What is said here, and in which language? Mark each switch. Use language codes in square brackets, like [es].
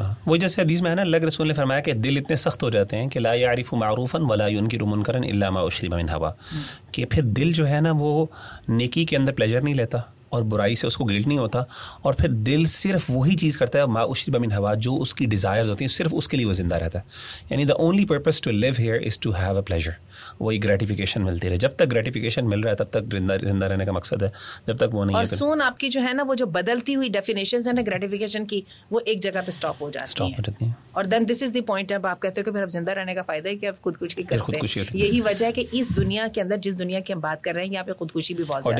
[ur] وہ جیسے حدیث میں ہے نا, اللہ رسول نے فرمایا کہ دل اتنے سخت ہو جاتے ہیں کہ [ar] لا یعرف معروفا ولا ینکر منکرا الا ما اشرب من ہوا, [ur] کہ پھر دل جو ہے نا وہ نیکی کے اندر پلیجر نہیں لیتا اور برائی سے اس کو گلٹ نہیں ہوتا, اور پھر دل صرف وہی چیز کرتا ہے [ar] ما اشرب من ہوا, [ur] جو اس کی ڈیزائرز ہوتی ہیں صرف اس کے لیے وہ زندہ رہتا ہے. [en] یعنی the only purpose to live here is to have a pleasure, [ur] وہی گریٹیفیکیشن ملتی رہے. جب تک گریٹیفیکیشن مل رہا ہے تب تک زندہ رہنے کا مقصد ہے, جب تک وہ نہیں. اور سون آپ کی جو ہے نا وہ جو بدلتی ہوئی ڈیفینیشنز ہیں نا گریٹیفیکیشن کی, وہ ایک جگہ پہ اسٹاپ ہو جاتی ہے, اور [en] Then this is the point. [ur] اب آپ کہتے ہو کہ پھر اب زندہ رہنے کا فائدہ ہے کہ اب خودکشی کرتے ہیں, یہی وجہ ہے کہ اس دنیا کے اندر جس دنیا کی ہم بات کر رہے ہیں یہاں پہ خودکشی بھی بہت زیادہ,